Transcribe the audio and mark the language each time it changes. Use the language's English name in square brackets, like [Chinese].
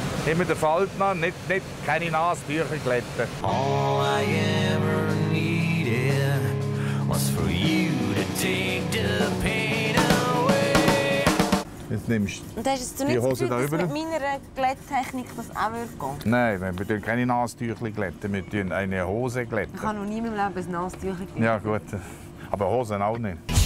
[German] Immer den Faltner, nicht keine Nasentücher glätten. [English] All I ever needed was for you to take the pain away. [German] Jetzt nimmst du. Und hast du nicht das Gefühl, dass mit meiner Glätttechnik das auch geht? Nein, wir tun keine Nasentücher glätten, wir tun eine Hose glätten. Ich habe noch nie in meinem Leben ein Nasentücher glätten. Ja, gut. Aber Hosen auch nicht.